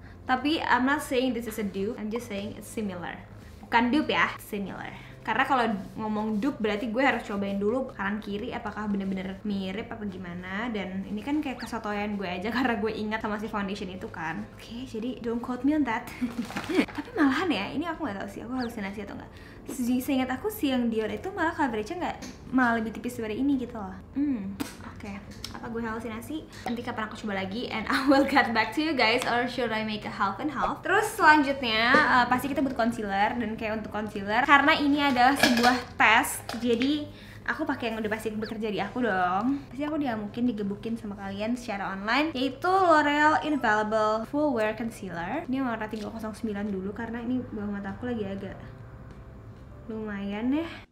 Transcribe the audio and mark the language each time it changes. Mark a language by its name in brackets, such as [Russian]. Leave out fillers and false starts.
[Indonesian] Tapi [English] I'm not saying this is a dupe, I'm just saying it's similar. [Indonesian] Bukan dupe ya, similar. Karena kalau ngomong dupe berarti gue harus cobain dulu kanan kiri apakah benar-benar mirip apa gimana. Dan ini kan kayak kesotoyan gue aja karena gue ingat sama si foundation itu kan. [English] Oke, okay, [Indonesian] jadi [English] don't quote me on that. [Indonesian] Tapi malahan ya, ini aku gak tahu sih aku halusinasi atau enggak. Jadi seingat aku sih yang Dior itu malah coveragenya enggak, malah lebih tipis dari ini gitu loh. Oke, okay. Apa gue halusinasi? Nanti kapan aku coba lagi [English] and I will get back to you guys, or should I make a half and half? [Indonesian] Terus selanjutnya, pasti kita butuh concealer. Dan kayak untuk concealer, karena ini adalah sebuah tes, jadi aku pakai yang udah pasti bekerja di aku dong. Pasti aku diamukin, digebukin sama kalian secara online, yaitu L'Oreal Infallible Full Wear Concealer. Ini warna 309 dulu karena ini bawah mata aku lagi agak lumayan ya.